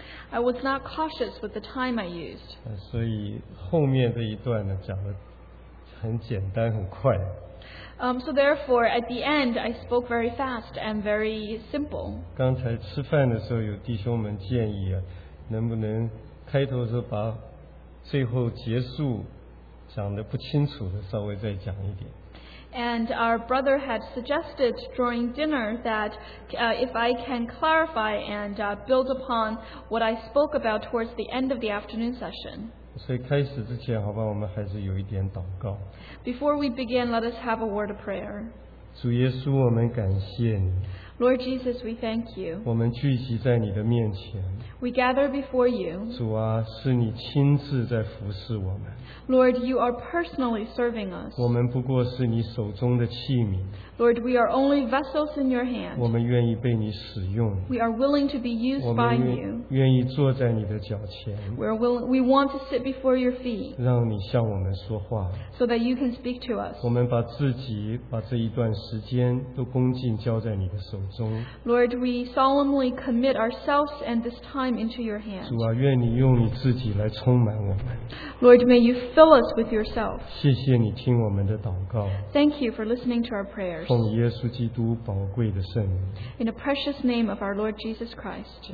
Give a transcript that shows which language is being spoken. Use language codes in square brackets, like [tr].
[en] I was not cautious with the time I used. [zh] 所以后面这一段呢，讲的很简单，很快。 [en] So therefore, at the end, I spoke very fast and very simple. [zh] 刚才吃饭的时候，有弟兄们建议啊，能不能开头的时候把最后结束讲的不清楚的稍微再讲一点。 [en] And our brother had suggested during dinner that if I can clarify and build upon what I spoke about towards the end of the afternoon session. [zh] 所以开始之前，好吧，我们还是有一点祷告。 [en] Before we begin, let us have a word of prayer. [zh] 主耶稣，我们感谢你。 [en] Lord Jesus, we thank you. [zh] 我们聚集在你的面前。 [en] We gather before you. [zh] 主啊，是你亲自在服侍我们。 [en] Lord, you are personally serving us. [zh] 我们不过是你手中的器皿。 [en] Lord, we are only vessels in your hand. [zh] 我们愿意被你使用。 [en] We are willing to be used by you. [zh] 愿意坐在你的脚前。 [en] We want to sit before your feet. [zh] 让你向我们说话。 [en] So that you can speak to us. [zh] 我们把自己，把这一段时间都恭敬交在你的手中。 [en] Lord, we solemnly commit ourselves and this time into your hand. [zh] 主啊，愿你用你自己来充满我们。 [en] Lord, may you fill us with yourself. [zh] 谢谢你听我们的祷告。 [en] Thank you for listening to our prayers. [zh] 奉耶稣基督宝贵的圣名。 [en] In the precious name of our Lord Jesus Christ.